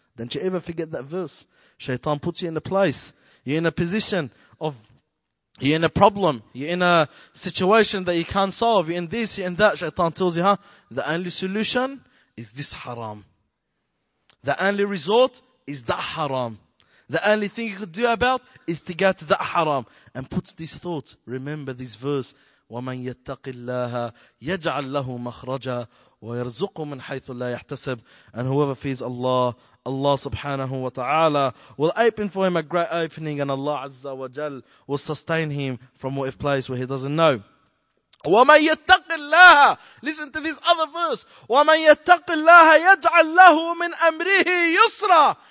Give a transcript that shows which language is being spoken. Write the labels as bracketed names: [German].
[English] Don't you ever forget that verse. Shaitan puts you in a place. You're in a position of, you're in a problem, you're in a situation that you can't solve, you're in this, you're in that. Shaitan tells you, huh? The only solution is this haram. The only resort is that haram. The only thing you could do about is to get to that haram. And put this thought, remember this verse, [Arabic] وَمَنْ يَتَّقِ اللَّهَ يَجْعَلْ لَهُ مَخْرَجًا وَيَرْزُقُ مِنْ حَيْثُ لَا يَحْتَسَبْ. [English] And whoever fears Allah, Allah subhanahu wa ta'ala will open for him a great opening, and Allah azza wa jal will sustain him from what if place where he doesn't know. [Arabic] وَمَنْ يَتَّقِ اللَّهَ. [English] Listen to this other verse. [Arabic] وَمَنْ يَتَّقِ اللَّهَ يَجْعَلْ لَهُ مِنْ أَمْرِهِ يُسْرًا.